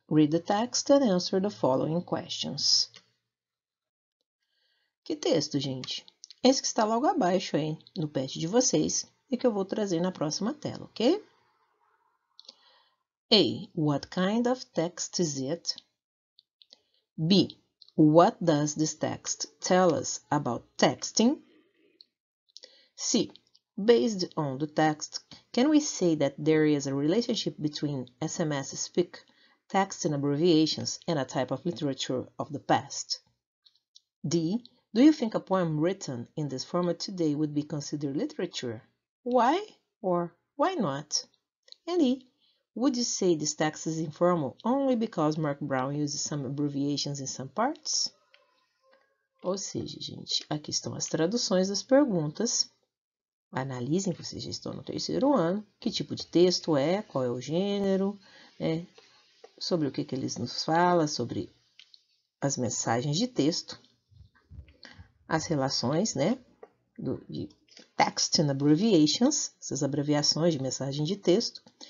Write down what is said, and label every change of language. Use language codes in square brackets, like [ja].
[en] Read the text and answer the following questions. [pt] Que texto, gente? Esse que está logo abaixo aí no patch de vocês e que eu vou trazer na próxima tela, ok? [en] A. What kind of text is it? B. What does this text tell us about texting? C. Based on the text, can we say that there is a relationship between SMS speak, text and abbreviations, and a type of literature of the past? D. Do you think a poem written in this format today would be considered literature? Why or why not? And E. Would you say this text is informal only because Mark Brown uses some abbreviations in some parts? [pt] Ou seja, gente, aqui estão as traduções das perguntas. Analisem, vocês já estão no terceiro ano, que tipo de texto é, qual é o gênero, né? Sobre o que, que eles nos falam, sobre as mensagens de texto, as relações, né, de [en] text and abbreviations, [pt] essas abreviações de mensagem de texto.